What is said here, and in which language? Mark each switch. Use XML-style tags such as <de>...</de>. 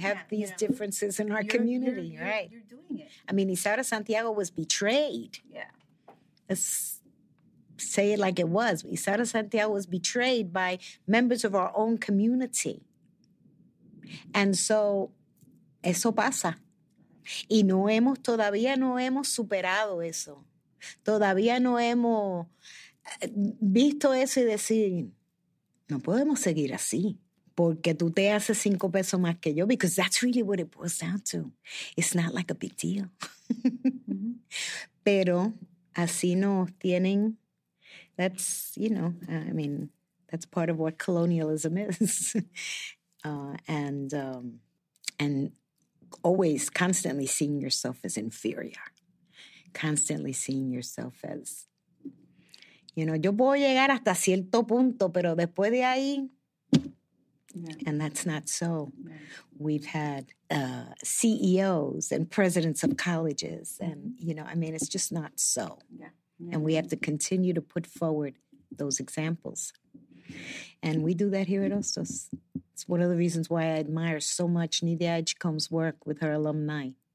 <en>have these differences in our community, right? You're doing it. I mean, Isaura Santiago was betrayed. Yeah. Let's say it like it was. Isaura Santiago was betrayed by members of our own community. And so,</en> <es>eso pasa. Y no hemos, todavía no hemos superado eso. Todavía no hemos visto eso y decir, no podemos seguir así. Porque tú te haces cinco pesos más que yo.</es> <en>Because that's really what it boils down to. It's not like a big deal.</en> <es>Pero así nos tienen.</es> <en>That's, you know, I mean, that's part of what colonialism is. And always constantly seeing yourself as inferior. Constantly seeing yourself as, you know,</en> <es>yo puedo llegar hasta cierto punto, pero después de ahí,</es> <en>and that's not so. Yeah. We've had CEOs and presidents of colleges, and, you know, I mean, it's just not so. Yeah. And we have to continue to put forward those examples. And we do that here at Hostos. It's one of the reasons why I admire so much Nidia Edgecombe's work with her alumni.</en>